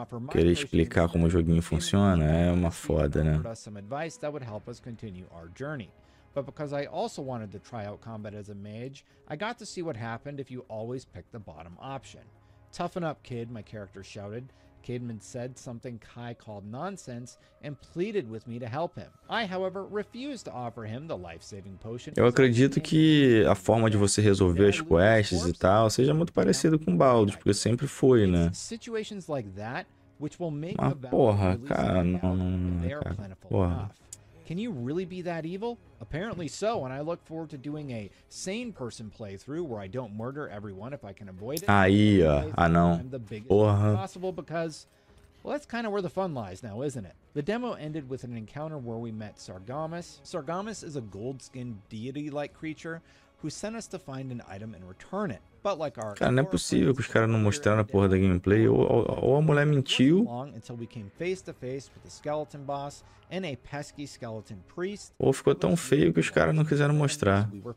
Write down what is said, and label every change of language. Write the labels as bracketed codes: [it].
[pt] Querer explicar como o joguinho funciona é uma foda, né? [en] Some advice that would help us continue our journey. But because I also wanted to try out combat as a mage, I got to see what happened if you always pick the bottom option. Toughen up, kid, my character shouted. Cademan said something Kai called nonsense and pleaded with me to help him. I, however, refused to offer him the life-saving potion. [pt] Eu acredito que a forma de você resolver as quests e tal seja muito parecido com Baldur's, porque sempre foi, né? [en] Situations like that which will make [pt] a porra, cara, não, cara. [en] Can you really be that evil? Apparently so, and I look forward to doing a sane person playthrough where I don't murder everyone if I can avoid it. [pt] Aí, ah, não. [en] Possible because, well, that's kind of where the fun lies now, isn't it? The demo ended with an encounter where we met Sargamus. Sargamus is a gold-skinned deity-like creature who sent us to find an item and return it. But like our [pt] cara, não é possível que os caras não mostraram a porra da gameplay. Ou a mulher mentiu. [en] Until we came face to face with the skeleton boss and a pesky skeleton priest. [pt] Ou ficou tão feio que os caras não quiseram mostrar.